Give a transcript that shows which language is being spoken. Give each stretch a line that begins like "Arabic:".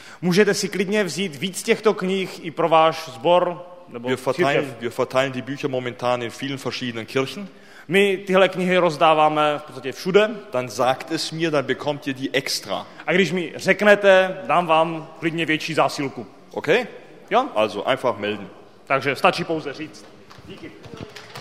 Czech: Můžete si klidně vzít víc těchto knih i pro váš sbor nebo církev.
German: Wir verteilen die Bücher momentan in vielen verschiedenen Kirchen.
Czech: My tyhle knihy rozdáváme v podstatě všude.
German: Dann sagt es mir, dann bekommt ihr die extra.
Czech: A když mi řeknete, dám vám klidně větší zásilku.
German: Okay?
Czech: Jo?
German: Also einfach melden.
Czech: Takže stačí pouze říct. Díky.